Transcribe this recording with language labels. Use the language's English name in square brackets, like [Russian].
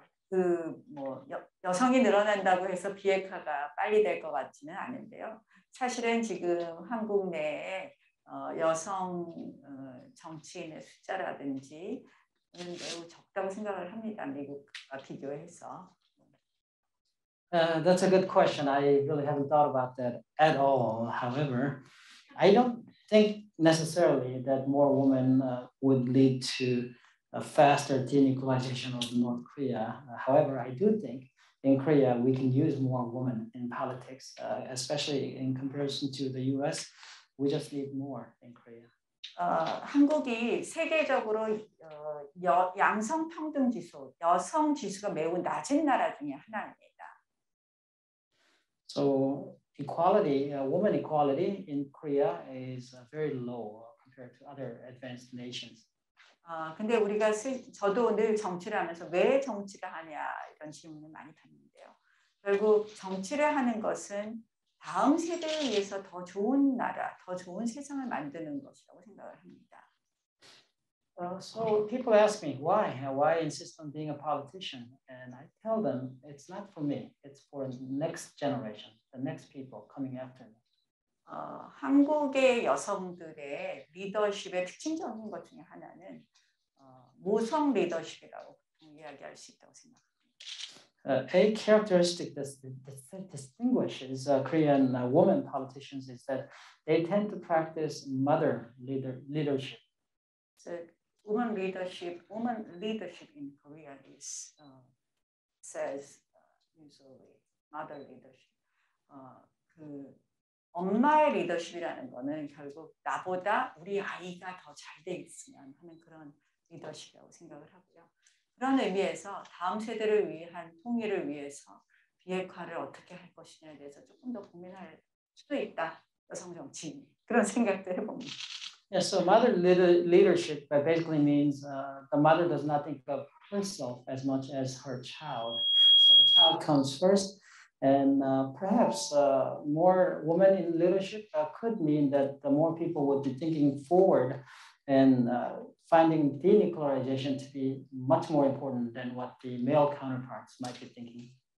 [Korean] (웃음) 여성이 늘어난다고 해서 비핵화가 빨리 될 것 같지는 않은데요. 사실은 지금 한국 내에 여성 정치인의 숫자라든지 매우 적다고 생각을 합니다. 미국과 비교해서. [English] That's a good question. I really haven't thought about that at all. However, I don't think necessarily that more women would lead to a faster denuclearization of North Korea. However, I do think in Korea, we can use more women in politics, especially in comparison to the U.S. We just need more in Korea. [Korean] 한국이 세계적으로 양성평등지수, 여성지수가 매우 낮은 나라 중에 하나입니다. [English] So equality, woman equality in Korea is very low compared to other advanced nations. [Korean] 근데 우리가 저도 늘 정치를 하면서 왜 정치를 하냐 이런 질문을 많이 받는데요. 결국 정치를 하는 것은 다음 세대를 위해서 더 좋은 나라, 더 좋은 세상을 만드는 것이라고 생각을 합니다. [English] So people ask me why insist on being a politician, and I tell them it's not for me, it's for the next generation, the next people coming after me. [Korean] 한국의 여성들의 리더십의 특징적인 것 중에 하나는 모성 리더십이라고 이야기할 수 있다고 생각합니다. [English] A characteristic that distinguishes Korean women politicians is that they tend to practice mother leadership. So, woman leadership in Korea is says usually mother leadership. [Korean] 그 엄마의 리더십이라는 거는 결국 나보다 우리 아이가 더 잘 돼 있으면 하는 그런 리더십이라고 생각을 하고요. 그런 의미에서 다음 세대를 위한 통일을 위해서 비핵화를 어떻게 할 것이냐에 대해서 조금 더 고민할 수도 있다. 여성 정치 그런 생각도 해봅니다. [English] Yeah, so mother leadership basically means the mother does not think of herself as much as her child. So the child comes first. And perhaps more women in leadership could mean that the more people would be thinking forward and finding denuclearization to be much more important than what the male counterparts might be thinking.